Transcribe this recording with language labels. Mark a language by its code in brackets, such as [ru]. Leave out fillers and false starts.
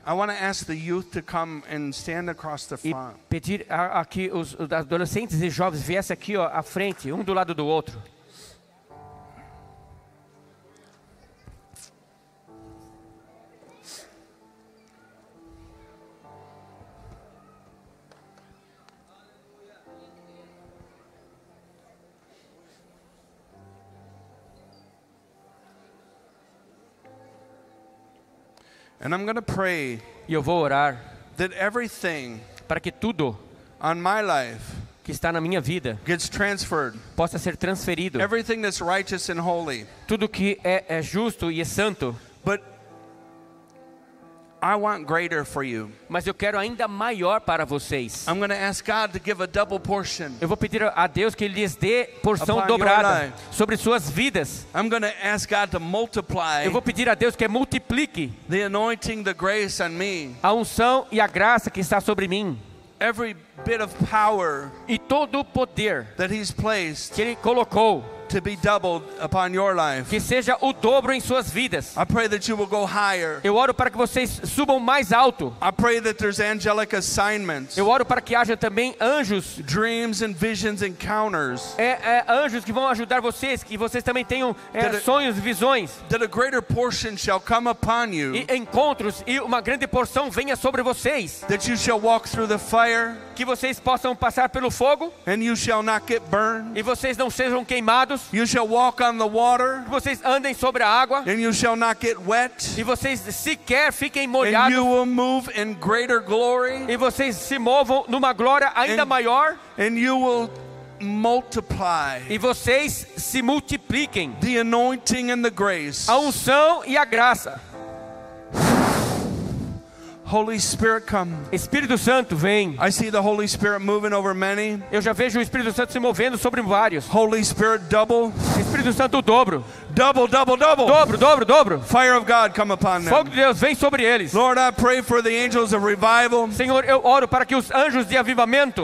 [en] I want to ask the youth to come and stand across the front. [pt] E pedir aqui os adolescentes e jovens viessem aqui, ó, à frente, um do lado do outro. [en] And I'm going to pray. [pt] E eu vou orar. [en] That everything, [pt] para que tudo, [en] on my life, [pt] que está na minha vida, [en] gets transferred, [pt] possa ser transferido. [en] Everything that's righteous and holy, [pt] tudo que é justo e é santo. [en] But I want greater for you. [pt] Mas eu quero ainda maior para vocês. [en] I'm going to ask God to give a double portion. [pt] Eu vou pedir a Deus que lhes dê porção dobrada sobre suas vidas. [en] I'm going to ask God to multiply. [pt] Eu vou pedir a Deus que multiplique [en] the anointing, the grace on me. [pt] A unção e a graça que está sobre mim. [en] Every bit of power, [pt] e todo o poder [en] that he's placed, [pt] que ele colocou, [en] to be doubled upon your life. [pt] Que seja o dobro em suas vidas. [en] I pray that you will go higher. [pt] Eu oro para que vocês subam mais alto. [en] I pray that there's angelic assignments. [pt] Eu oro para que haja também anjos. [en] Dreams and visions, encounters. [pt] Anjos que vão ajudar vocês, que vocês também tenham sonhos, visões. [en] That a greater portion shall come upon you. [pt] E encontros e uma grande porção venha sobre vocês. [en] That you shall walk through the fire. [pt] Que vocês possam passar pelo fogo. [en] And you shall not get burned. [pt] E vocês não sejam queimados. [en] You shall walk on the water. [pt] Vocês andem sobre a água. [en] And you shall not get wet. [pt] E vocês sequer fiquem molhados. [en] And you will move in greater glory. [pt] E vocês se movam numa glória ainda maior. [en] And you will multiply. [pt] E vocês se multipliquem. [en] The anointing and the grace. [pt] A unção e a graça. [en] Holy Spirit, come. [pt] Espírito Santo, vem. [en] I see the Holy Spirit moving over many. [pt] Eu já vejo o Espírito Santo se movendo sobre vários. [en] Holy Spirit, double. [pt] Espírito Santo, dobro. [en] Double, double, double. [pt] Dobro, dobro, dobro. [en] Fire of God, come upon them. [pt] Fogo de Deus, vem sobre eles. [en] Lord, I pray for the angels of revival. [pt] Senhor, eu oro para que os anjos de avivamento.